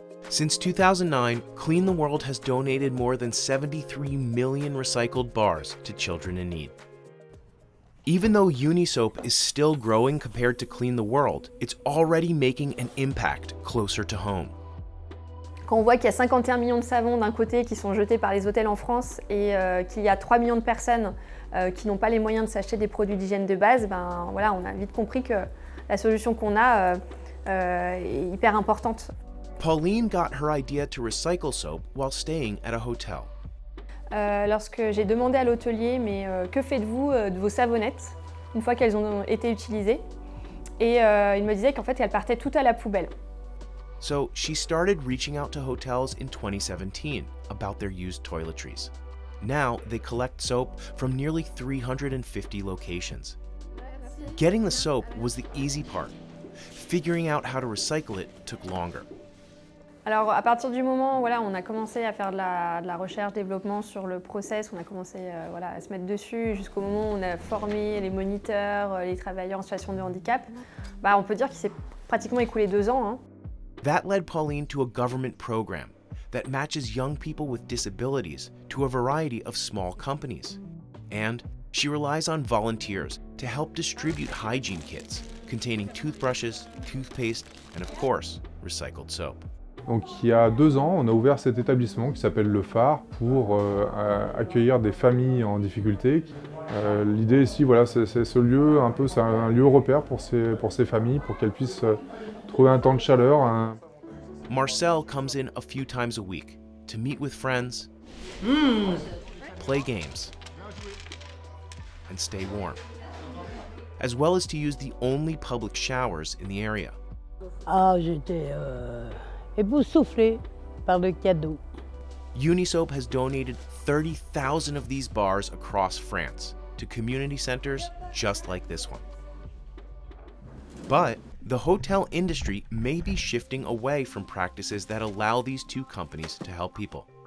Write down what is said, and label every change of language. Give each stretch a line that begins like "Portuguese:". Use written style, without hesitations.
English: Since 2009, Clean the World has donated more than 73 million recycled bars to children in need. Even though UniSoap is still growing compared to Clean the World, it's already making an impact closer to home.
French: Quand on voit qu'il y a 51 millions de savons d'un côté qui sont jetés par les hôtels en France et qu'il y a 3 millions de personnes qui n'ont pas les moyens de s'acheter des produits d'hygiène de base, ben voilà, on a vite compris que la solution qu'on a est hyper importante.
English: Pauline got her idea to recycle soap while staying at a hotel.
French: Lorsque j'ai demandé à l'hôtelier, mais que faites-vous de vos savonnettes une fois qu'elles ont été utilisées? Et il me disait qu'en fait, elles partaient toutes à la poubelle.
English: So she started reaching out to hotels in 2017 about their used toiletries. Now they collect soap from nearly 350 locations. Getting the soap was the easy part. Figuring out how to recycle it took longer.
French: Alors à partir du moment où voilà, on a commencé à faire de la recherche, développement sur le process, on a commencé voilà, à se mettre dessus jusqu'au moment où on a formé les moniteurs, les travailleurs en situation de handicap, bah, on peut dire qu'il s'est pratiquement écoulé 2 ans. Hein.
English: That led Pauline to a government program that matches young people with disabilities to a variety of small companies. And she relies on volunteers to help distribute hygiene kits containing toothbrushes, toothpaste, and of course, recycled soap.
French: Donc il y a 2 ans, on a ouvert cet établissement qui s'appelle Le Phare pour accueillir des familles en difficulté. L'idée ici, voilà, c'est ce lieu, un peu, c'est un lieu repère pour ces familles, pour qu'elles puissent trouver un temps de chaleur. Hein.
English: Marcel comes in a few times a week to meet with friends, play games, and stay warm, as well as to use the only public showers in the area.
French: Ah, j'étais éboussouflé par le cadeau.
English: UniSoap has donated 30,000 of these bars across France to community centers just like this one. But the hotel industry may be shifting away from practices that allow these two companies to help people.